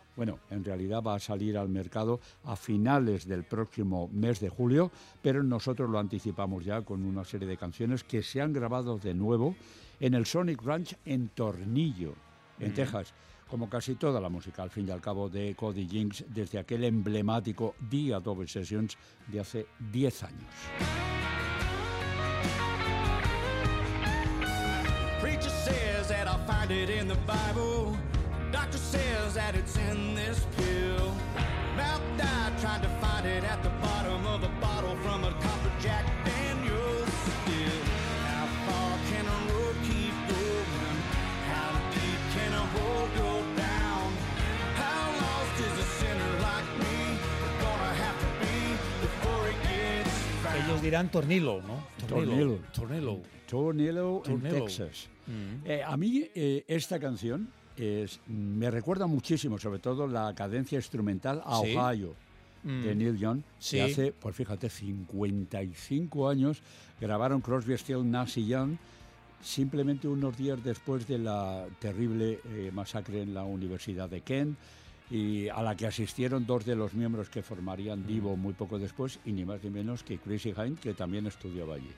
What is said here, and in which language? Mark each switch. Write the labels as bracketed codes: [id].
[es] Bueno, en realidad va a salir al mercado a finales del próximo mes de julio, pero nosotros lo anticipamos ya con una serie de canciones que se han grabado de nuevo en el Sonic Ranch en Tornillo, en Texas, como casi toda la música, al fin y al cabo, de Cody Jinks, desde aquel emblemático The Adobe Sessions de hace 10 años. [en] Preacher says that I find it in the Bible. Doctor says that it's in this pill. Mouth died trying to find it at the bottom of a bottle from a copper Jack Daniel's still. How far can a road keep going? How deep can a hole go down? How lost is a sinner like me gonna have to be before it gets found? [es] Ellos dirán tornilo, ¿no? Tornilo. Tornilo. Tornilo en Texas. A mí esta canción me recuerda muchísimo, sobre todo, la cadencia instrumental a Ohio de Neil Young, que hace, pues fíjate, 55 años grabaron Crosby, Stills, Nash y Young, simplemente unos días después de la terrible masacre en la Universidad de Kent, y a la que asistieron dos de los miembros que formarían Devo muy poco después, y ni más ni menos que Chrissy Hynde, que también estudiaba allí.